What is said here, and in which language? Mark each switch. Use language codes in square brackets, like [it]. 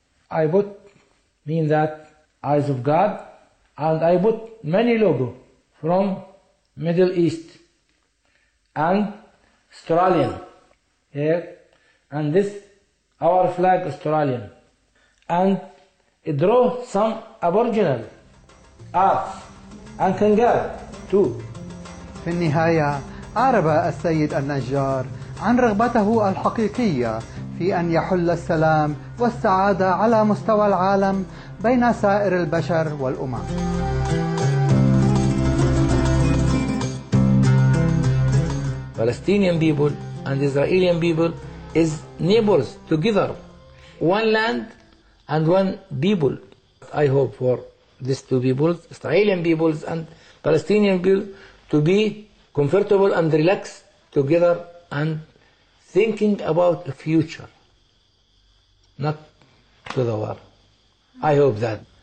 [en] I would mean that Eyes of God, and I put many logo from Middle East and Australian here, and this our flag Australian, and it draw some Aboriginal art and Kangal too. [ar] في النهاية أعرب السيد النجار عن رغبته الحقيقية في أن يحل السلام والسعادة على مستوى العالم بين سائر البشر والأمم. [en] Palestinian people and Israeli people is neighbors together, one land and one people. I hope for these two people, Israeli people and Palestinian people, to be comfortable and relaxed together and thinking about the future, not to the war. I hope that.